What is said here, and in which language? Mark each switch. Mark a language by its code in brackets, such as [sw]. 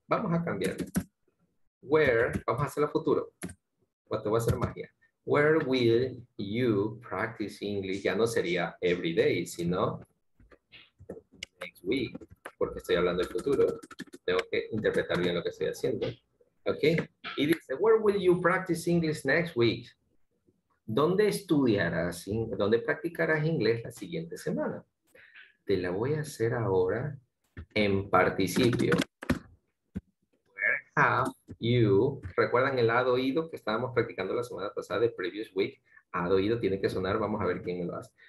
[es] Vamos a cambiarlo. Where, vamos a hacerlo a futuro. O te voy a hacer magia. [en] Where will you practice English? [es] Ya no sería [en] every day, [es] sino [en] next week. [es] Porque estoy hablando del futuro. Tengo que interpretar bien lo que estoy haciendo. [en] Ok, [es] y dice, [en] where will you practice English next week? [es] ¿Dónde estudiarás, dónde practicarás inglés la siguiente semana? Te la voy a hacer ahora en participio. [en] Where have you, [es] recuerdan el ad oído que estábamos practicando la semana pasada de previous week, ad oído tiene que sonar, vamos a ver quién lo hace.